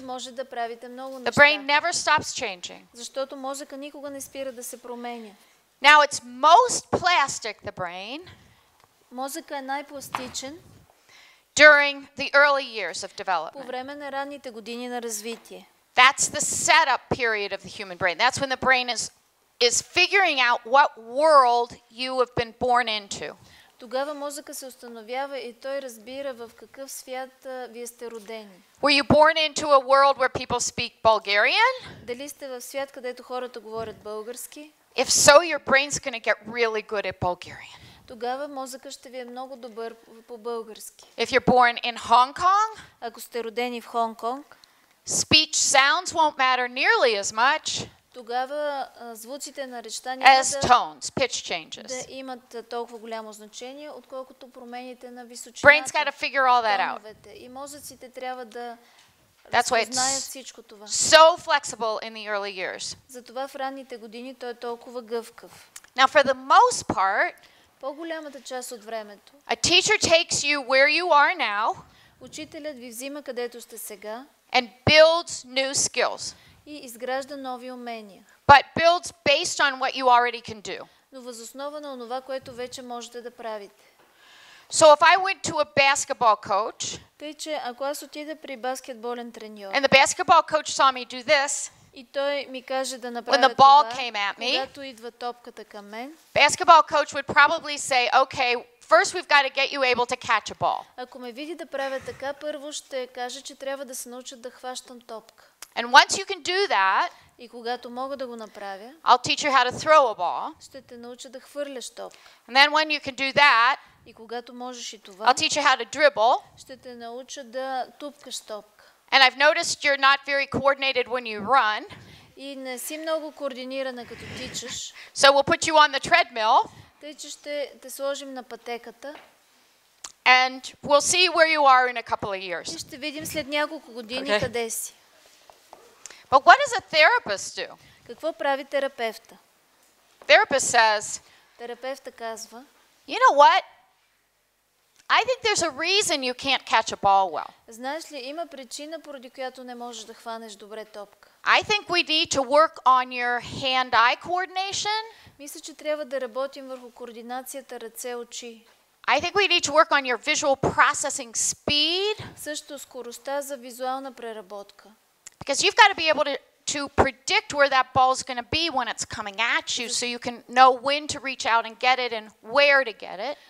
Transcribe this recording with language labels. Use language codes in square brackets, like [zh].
[bg] И може да правите много неща. [en] The brain never stops changing. [bg] Защото мозъка никога не спира да се променя. [en] Now it's most plastic, the brain. [bg] Мозъка е най-пластичен. [en] During the early years of development. [bg] По време на ранните години на развитие. [en] That's the setup period of the human brain. That's when the brain is figuring out what world you have been born into. [bg] Тогава мозъка се установява и той разбира в какъв свят вие сте родени. [en] Were you born into a world where people speak Bulgarian? [bg] Дали сте в свят, където хората говорят български? [en] If so, your brain's going to get really good at Bulgarian. [bg] Тогава мозъка ще ви е много добър по български. [en] If you're born in Hong Kong? [bg] Ако сте родени в Хонг Конг? [en] Speech sounds won't matter nearly as much. [bg] тогава звуците на речта няма да имат толкова голямо значение, отколкото промените на височината. [en] Brain's got to figure all that out. [bg] И мозъците трябва да разпознаят всичко това. [en] So flexible in the early years. [bg] Затова в ранните години той е толкова гъвкав. [en] Now for the most part, [bg] по-голямата част от времето, [en] a teacher takes you where you are now. [bg] Учителят ви взима където сте сега. [en] And builds new skills. [bg] И изгражда нови умения. [en] But builds based on what you already can do. [bg] Но въз основа на онова, което вече можете да правите. [en] So if I went to a basketball coach, [bg] тъй че ако аз отида при баскетболен треньор, [en] and the basketball coach saw me do this, [bg] и той ми каже да направя [en] when the ball [bg] това, [en] came at me, [bg] когато идва топката към мен, [en] basketball coach would probably say, okay, first we've got to get you able to catch a ball. [bg] Ако ме види да правя така, първо ще каже, че трябва да се науча да хващам топка. [en] And once you can do that, [bg] и когато мога да го направя, [en] I'll teach you how to throw a ball. [bg] Ще те науча да хвърляш топка. [en] And then when you can do that, [bg] и когато можеш и това, [en] I'll teach you how to dribble. [bg] Ще те науча да тупкаш топка. [en] And I've noticed you're not very coordinated when you run. [bg] И не си много координирана като тичаш. [en] So we'll put you on the treadmill. [bg] Тъй че ще те сложим на пътеката. [en] And we'll see where you are in a couple of years. [bg] И ще видим след няколко години okay. къде си. [en] But what does a therapist do? [bg] Какво прави терапевта? [en] Therapist says, [bg] терапевта казва, [en] you know what? I think there's a reason you can't catch a ball well. [bg] Знаеш ли, има причина, поради която не можеш да хванеш добре топка. [en] I think we need to work on your hand-eye coordination. [bg] Мисля, че трябва да работим върху координацията ръце-очи. [en] I think we need to work on your visual processing speed. [bg] Също скоростта за визуална преработка. [en] Because you've got to be able to predict where that ball's going to be when it's coming at you, so you can know when to reach out and get it and where to get it.